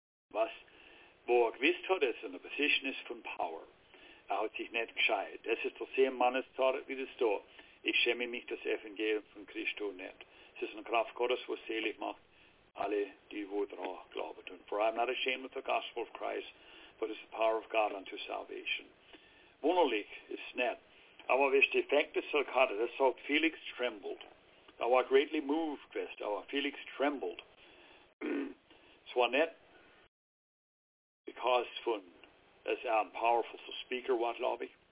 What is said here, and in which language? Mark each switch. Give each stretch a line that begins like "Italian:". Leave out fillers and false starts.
German: Was, wo er gewusst hat, dass er in der Position ist von Power. Er hat sich nicht gescheit. Das ist der selbe Mannestor wie das da. Ich schäme mich das Evangelium von Christo nicht. Es ist eine Kraft Gottes, was selig macht, alle, die wo daran glauben.
English: Und for I am not ashamed of the gospel of Christ, but it's the power of God unto salvation.
German: Wunderlich ist nicht. Aber wenn die Effekte so hatte, das sagt
English: Felix trembled.
German: Er war
English: greatly moved,
German: Christ. Aber
English: Felix trembled.
German: Es war nicht, because von, es ein
English: powerful speaker
German: war, glaube ich.